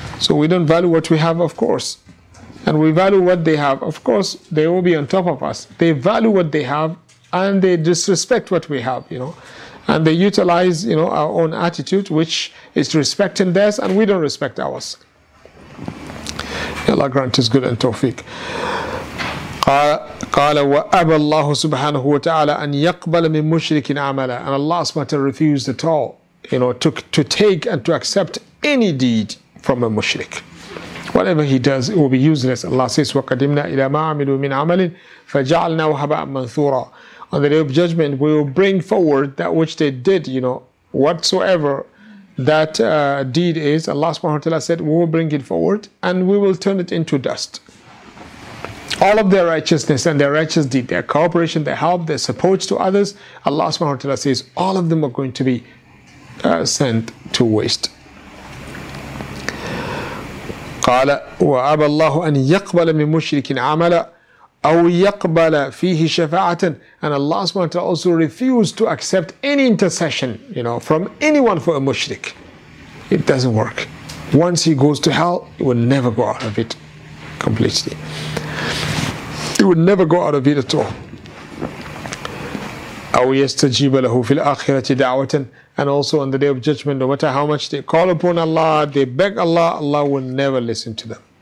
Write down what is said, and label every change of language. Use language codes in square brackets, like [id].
[en] So we don't value what we have, of course. And we value what they have. Of course, they will be on top of us. They value what they have, and they disrespect what we have, you know. And they utilize, you know, our own attitude, which is respecting theirs, and we don't respect ours. Allah grant us good and tawfiq. [ar] قال وأبى الله سبحانه وتعالى أن يقبل من مشرك عمله. [en] And Allah subhanahu wa ta'ala refused at all, you know, to take and to accept any deed from a mushrik. Whatever he does, it will be useless. Allah says, [ar] وَقَدِمْنَا إِلَى مَا عَمِلُوا مِنْ عَمَلٍ فَجَعَلْنَاهُ هَبَاءً مَنْثُورًا. [en] On the day of judgment, we will bring forward that which they did, you know, whatsoever that deed is. Allah subhanahu wa ta'ala said, we will bring it forward and we will turn it into dust. All of their righteousness and their righteous deed, their cooperation, their help, their support to others, Allah subhanahu wa ta'ala says, all of them are going to be sent to waste. [ar] قال وأبى الله أن يقبل من مشرك عملا أو يقبل فيه شفاعة. [en] And Allah subhanahu wa ta'ala also refused to accept any intercession, you know, from anyone for a mushrik. It doesn't work. Once he goes to hell, he will never go out of it completely. He would never go out of it at all. [ar] أو يستجيب له في الآخرة دعوة. [en] And also on the day of judgment, no matter how much they call upon Allah, they beg Allah, Allah will never listen to them.